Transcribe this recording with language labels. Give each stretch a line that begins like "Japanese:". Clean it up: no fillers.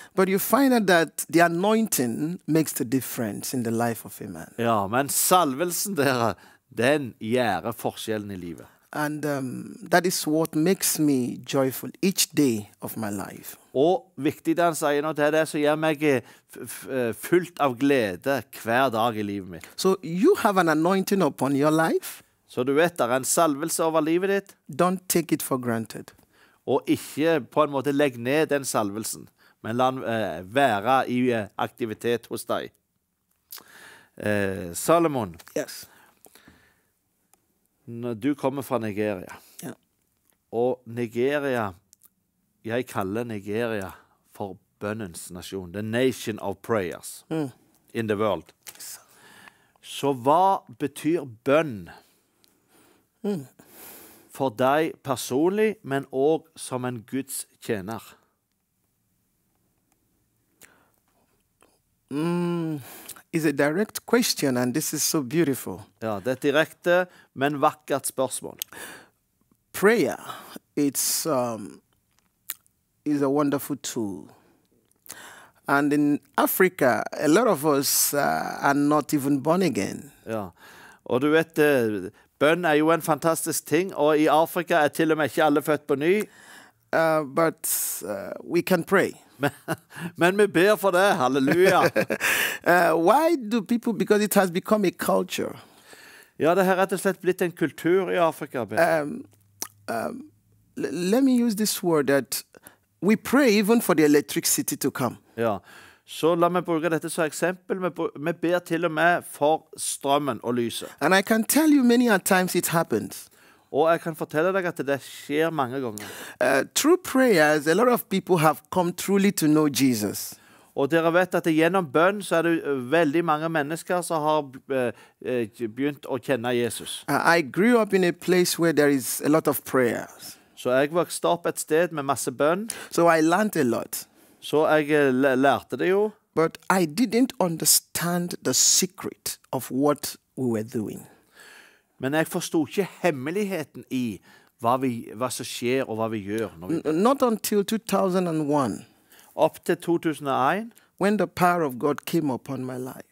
English: But you find out that the anointing makes the difference in the life of a man.
Norwegian: Ja, men salvelsen der, den gjør forskjellen i livet.
English: And that is what makes me joyful each day of my life.
Norwegian: Og viktig det han sier nå, det er det som gjør meg fullt av glede hver dag i livet mitt.
English: So you have an anointing upon your life.
Norwegian: Så du vet, det er en salvelse over livet ditt.
English: Don't take it for granted.
Norwegian: Og ikke på en måte legg ned den salvelsen, men la den være i aktivitet hos deg. Salomon.
English: Yes.
Norwegian: Du kommer fra Nigeria. Ja. Og Nigeria, jeg kaller Nigeria for bønnens nasjon,
English: the nation of prayers in the world.
Norwegian: Så hva betyr bønn for deg personlig, men også som en Guds tjener?
English: It's a direct question, and this is so beautiful.
Norwegian: Ja, det er direkte, men vakkert spørsmål.
English: Prayer, it's a wonderful tool. And in Africa, a lot of us are not even born again.
Norwegian: Ja, og du vet, bønn er jo en fantastisk ting, og i Afrika er til og med ikke alle født på ny.
English: But we can pray.
Norwegian: Men vi ber for det, halleluja.
English: Why do people, because it has become a culture.
Norwegian: Ja, det har rett og slett blitt en kultur i Afrika.
English: Let me use this word that we pray even for the electricity to come.
Norwegian: Ja, så la meg bruke dette som eksempel. Vi ber til og med for strømmen og lyset.
English: And I can tell you many a times it happens.
Norwegian: Og jeg kan fortelle deg at det skjer mange ganger.
English: Through prayers, a lot of people have come truly to know Jesus.
Norwegian: Og dere vet at gjennom bønn så er det veldig mange mennesker som har begynt å kjenne Jesus.
English: I grew up in a place where there is a lot of prayers.
Norwegian: Så jeg vokste opp et sted med masse bønn.
English: So I learned a lot.
Norwegian: Så jeg lærte det jo.
English: But I didn't understand the secret of what we were doing.
Norwegian: Men jeg forstod ikke hemmeligheten i hva som skjer og hva vi gjør. Når vi
English: not until 2001.
Norwegian: Opp til 2001.
English: When the power of God came upon my life.